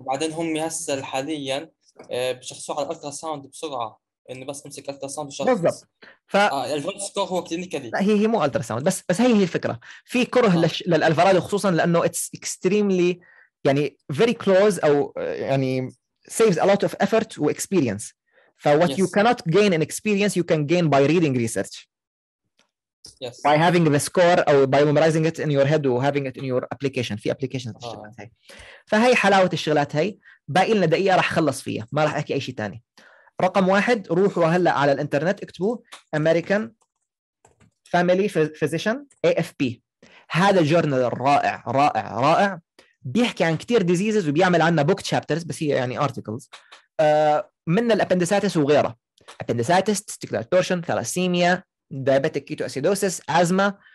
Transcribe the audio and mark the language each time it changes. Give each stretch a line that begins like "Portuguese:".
Arabic: وبعدين هم هسه حالياً بشخصوا على الألترا ساوند بسرعة، إنه بس نمسك ألترا ساوند بشخص الفولت سكور هو كلينيكالي. لا هي مو ألترا ساوند بس، بس هي الفكرة في كره للألفرادو خصوصا لأنه
English: it's extremely
Arabic: يعني
English: very close
Arabic: أو يعني
English: saves a lot of effort
Arabic: و experience.
English: فwhat you cannot gain in experience you can gain by reading research. Yes. By having the score
Arabic: أو
English: by memorizing it in your head or having it in your application.
Arabic: في applications فهي حلاوة الشغلات هاي. باقي لنا دقيقة رح خلص فيها ما رح أحكي أي شيء تاني. رقم واحد روحوا هلأ على الانترنت اكتبوا American Family Physician AFP. هذا جورنال رائع رائع رائع، بيحكي عن كتير ديزيزز وبيعمل عنا بوك تشابترز بس هي يعني articles من الابندساتس وغيره، ابندساتس، testicular torsion، ثلاسيميا، diabetic ketoacidosis، أزمة.